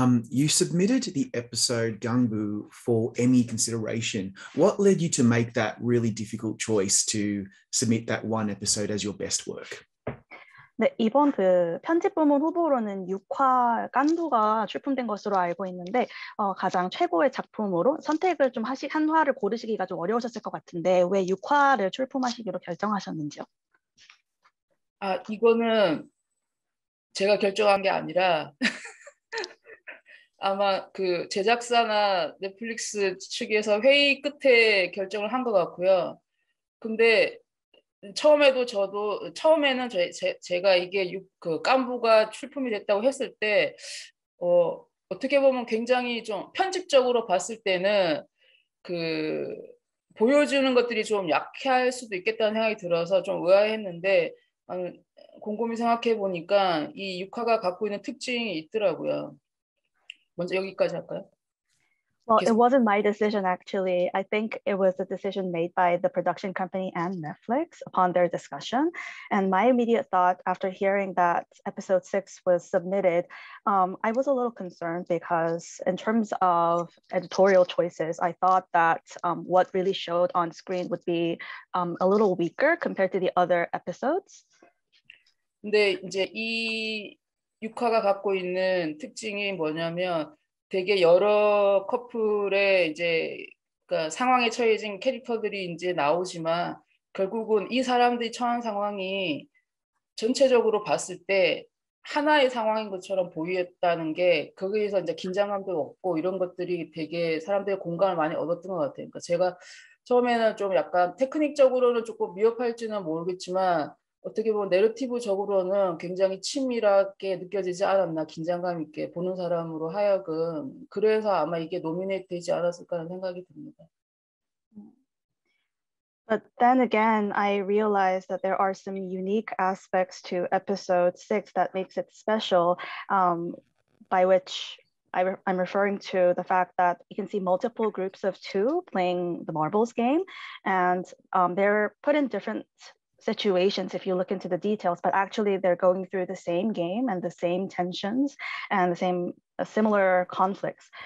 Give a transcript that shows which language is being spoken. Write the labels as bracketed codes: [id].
[en] You submitted the episode Gangbu for Emmy consideration. What led you to make that really difficult choice to submit that one episode as your best work? [ko] 네, 이번 그 편집 부문 후보로는 6화 깐두가 출품된 것으로 알고 있는데 가장 최고의 작품으로 선택을 좀 한 화를 고르시기가 좀 어려우셨을 것 같은데 왜 6화를 출품하시기로 결정하셨는지요? 아, 이거는 제가 결정한 게 아니라 아마 그 제작사나 넷플릭스 측에서 회의 끝에 결정을 한 것 같고요. 근데 처음에는 제가 이게 그 깐부가 출품이 됐다고 했을 때 어떻게 보면 굉장히 좀 편집적으로 봤을 때는 그 보여주는 것들이 좀 약해할 수도 있겠다는 생각이 들어서 좀 의아했는데, 곰곰이 생각해 보니까 이 육화가 갖고 있는 특징이 있더라고요. 먼저 여기까지 할까요? [en] Well, it wasn't my decision actually. I think it was a decision made by the production company and Netflix upon their discussion. And my immediate thought after hearing that episode six was submitted, I was a little concerned because, in terms of editorial choices, I thought that what really showed on screen would be a little weaker compared to the other episodes. [ko] 근데 이제 이 육화가 갖고 있는 특징이 뭐냐면 되게 여러 커플의 이제 그러니까 상황에 처해진 캐릭터들이 이제 나오지만 결국은 이 사람들이 처한 상황이 전체적으로 봤을 때 하나의 상황인 것처럼 보였다는 게 거기에서 이제 긴장감도 없고 이런 것들이 되게 사람들의 공감을 많이 얻었던 것 같아요. 그러니까 제가 처음에는 좀 약간 테크닉적으로는 조금 미흡할지는 모르겠지만 어떻게 보면 내러티브적으로는 굉장히 치밀하게 느껴지지 않았나, 긴장감 있게 보는 사람으로 하여금 그래서 아마 이게 노미네이트되지 않았을까라는 생각이 듭니다. [en] But then again, I realized that there are some unique aspects to episode six that makes it special, by which I'm referring to the fact that you can see multiple groups of two playing the marbles game, and they're put in different situations if you look into the details, but actually they're going through the same game and the same tensions and the same similar conflicts.